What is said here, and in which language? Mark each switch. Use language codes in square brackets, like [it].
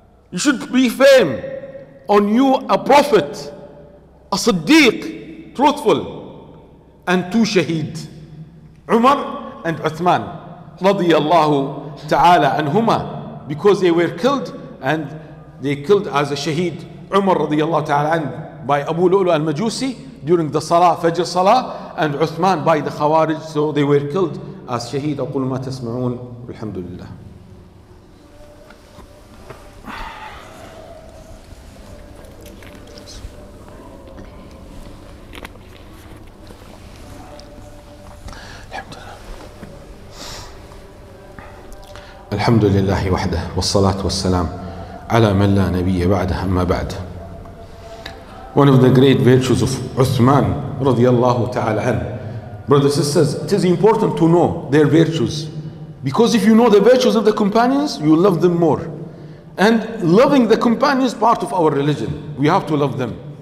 [en] You should be firm on you, a prophet, a siddiq, truthful, and two shaheed, Umar and Uthman radiyallahu ta'ala anhuma, because they were killed and they killed as a shaheed, Umar radiyallahu ta'ala anhu, by Abu Lu'lu al-Majusi during the Salah, Fajr Salah, and Uthman by the Khawarij, so they were killed as shaheed. [ar] أقول ما تسمعون الحمد لله. الحمد لله وحده والصلاة والسلام على من لا نبي بعده أما بعد. [en] One of the great virtues of Uthman radiyallahu ta'ala an, brothers and sisters, it is important to know their virtues, because if you know the virtues of the companions, you love them more. And loving the companions, part of our religion, we have to love them.